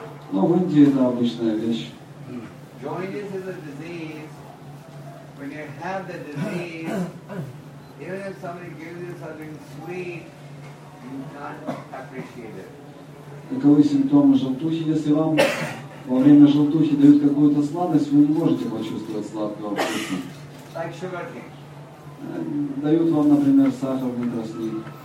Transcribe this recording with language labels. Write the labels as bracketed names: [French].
[Russian] Но в Индии это обычная вещь. [English] Jaundice is a disease. When you have the disease, even if somebody gives you something sweet, you can't appreciate it. [Russian] Каковы симптомы желтухи? Если вам во время желтухи дают какую-то сладость, вы не можете почувствовать сладкого вкуса. [English] Like sugar cane. [Russian] Дают вам, например, сахарный тростник.